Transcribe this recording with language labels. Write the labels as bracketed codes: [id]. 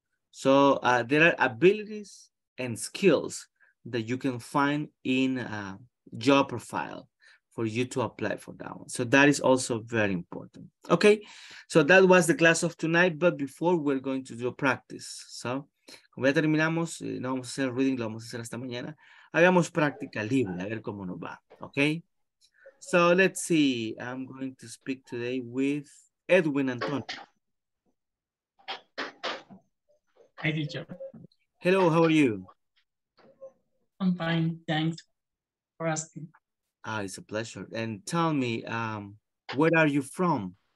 [en] So there are abilities and skills that you can find in a job profile for you to apply for that one. So that is also very important. Okay, so that was the class of tonight, but before we're going to do a practice. [es] So, como ya terminamos, no vamos a hacer reading, lo vamos a hacer hasta mañana. Hagamos práctica libre, a ver cómo nos va, okay? [en] So let's see, I'm going to speak today with Edwin Antonio. Hi, teacher. Hello, how are you? I'm fine, thanks for asking. Ah, it's a pleasure. And tell me, where are you from?